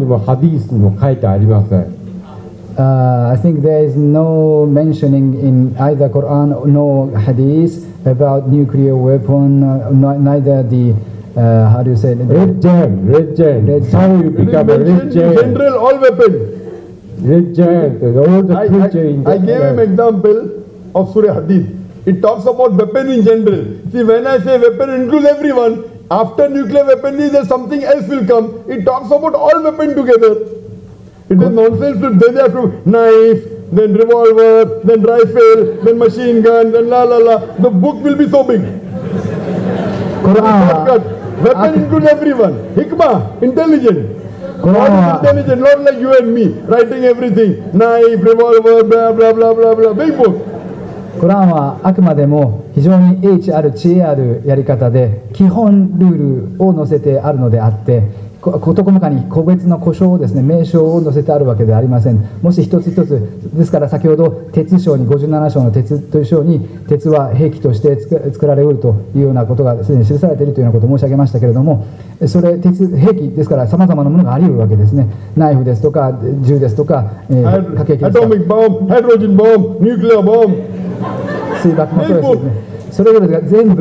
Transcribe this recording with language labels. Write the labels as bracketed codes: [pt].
[ja] 既にあるとしたら、それ以上何をお求めになるのでしょうか。例えば核兵器で全滅するとか、太陽が赤色巨星になって地球の生物が全滅するとか、そういう新しい科学的知識はクルアンにもハディースにも書いてありません。 [en] I think there is no mentioning in either Quran nor Hadith about nuclear weapon, neither the how do you say it? Red giant. How you become a red giant? General, all weapon. Red giant. I gave an example of Surah Hadid. It talks about weapon in general. See, when I say weapon, includes everyone. After nuclear weapon, there's something else will come. It talks about all weapon together. It is nonsense to then they have to knife, then revolver, then rifle, then machine gun, then la la la. The book will be so big. Quran. Weapon includes everyone. Hikmah, intelligent. God is intelligent, not like you and me, writing everything. Knife, revolver, blah, blah, blah, blah, blah. Big book. Quran is [ja] あくまでも非常に英知ある知恵あるやり方で基本ルールを載せてあるのであって、 個々に個別の故障をですね、名称を載せてあるわけではありません。もし一つ一つですから、先ほど鉄章に57章の鉄という章に鉄は兵器として作られるというようなことがすでに記されているということを申し上げましたけれども、それ兵器ですから、様々なものがあり得るわけですね。ナイフですとか銃ですとか、火炎器ですね。